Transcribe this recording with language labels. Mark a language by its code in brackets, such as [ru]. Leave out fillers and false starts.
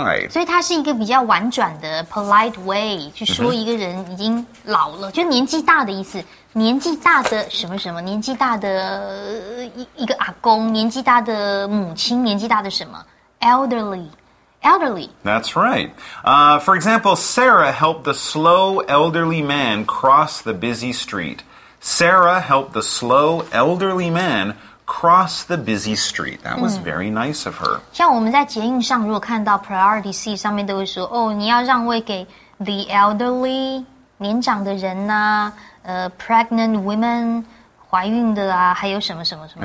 [zh] 所以它是一个比较婉转的 [en] polite way [zh] 去说一个人已经老了，就年纪大的意思。年纪大的什么什么，年纪大的一个阿公，年纪大的母亲，年纪大的什么 ，elderly。 [en] Elderly. That's right. For example, Sarah helped the slow elderly man cross the busy street. Sarah helped the slow elderly man cross the busy street. That was very nice of her. [zh] 像我们在捷运上，如果看到 [en] priority seat [zh] 上面都会说，哦，你要让位给 [en] the elderly [zh] 年长的人呐， [en] pregnant women [zh] 怀孕的啊，还有什么什么什么。